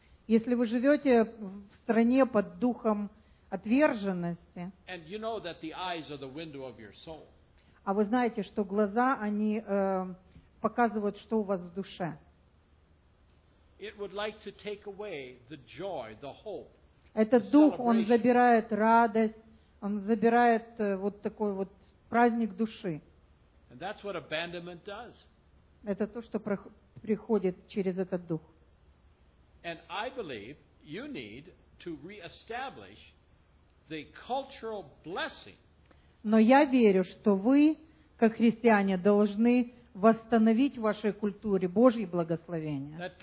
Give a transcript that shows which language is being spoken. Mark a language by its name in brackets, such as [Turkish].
[Russian] если вы живете в стране под духом отверженности, [English] and you know that the eyes are the window of your soul, [Russian] а вы знаете, что глаза они показывают, что у вас в душе. [English] It would like to take away the joy, the hope. [Russian] Этот дух, он забирает радость, он забирает вот такой вот праздник души. [English] And that's what abandonment does. [Russian] Это то, что приходит через этот дух. [English] And I believe you need to reestablish the cultural blessing. [Russian] Но я верю, что вы, как христиане, должны восстановить в вашей культуре Божье благословение.